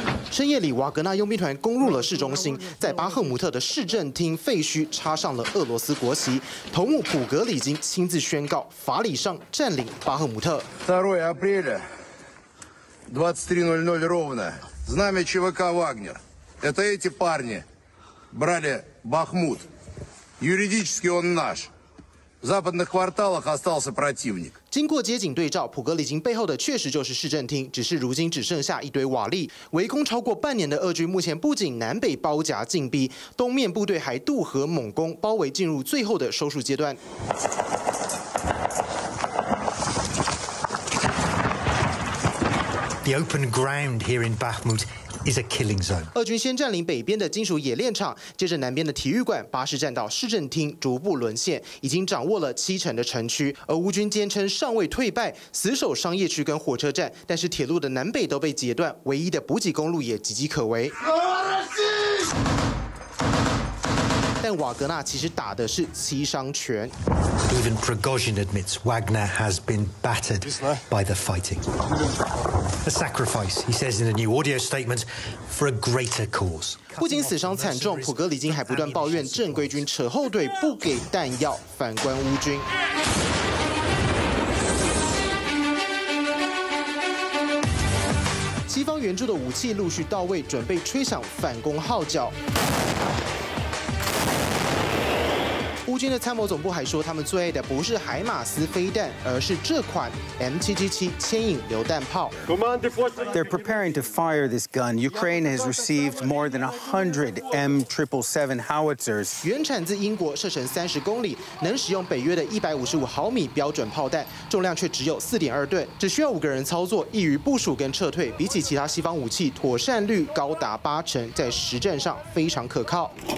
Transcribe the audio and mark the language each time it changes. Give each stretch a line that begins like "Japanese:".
Chinese: 深夜里，瓦格纳佣兵团攻入了市中心，在巴赫姆特的市政厅废墟插上了俄罗斯国旗。头目普格里金亲自宣告，法理上占领巴赫姆特。
Russian: 2 апреля 23:00 ровно, знамя ЧВК Вагнер. Это эти парни брали Бахмут. Юридически он наш. В западных кварталах остался противник.
Chinese: 经过街景对照，普格里金背后的确实就是市政厅，只是如今只剩下一堆瓦砾。围攻超过半年的俄军，目前不仅南北包夹进逼，东面部队还渡河猛攻，包围进入最后的收束阶段。
English: The open ground here in Bakhmut. Is a killing zone.
Chinese: 俄军先占领北边的金属冶炼厂，接着南边的体育馆、巴士站到市政厅，逐步沦陷，已经掌握了70%的城区。而乌军坚称尚未退败，死守商业区跟火车站，但是铁路的南北都被截断，唯一的补给公路也岌岌可危。但瓦格纳其实打的是七伤拳。
English: Even Prigozhin admits Wagner has been battered by the fighting. A sacrifice, he says in a new audio statement, for a greater cause.
Chinese: 不仅死伤惨重，普格里金还不断抱怨正规军扯后腿，不给弹药。反观乌军。西方援助的武器陆续到位，准备吹响反攻号角。乌军的参谋总部还说，他们最爱的不是海马斯飞弹，而是这款 M777 牵引榴弹炮。
English: They're preparing to fire this gun. Ukraine has received more than 100 M777 howitzers.
Chinese: 原产自英国，射程30公里，能使用北约的155毫米标准炮弹，重量却只有4.2吨，只需要5个人操作，易于部署跟撤退。比起其他西方武器，妥善率高达80%，在实战上非常可靠。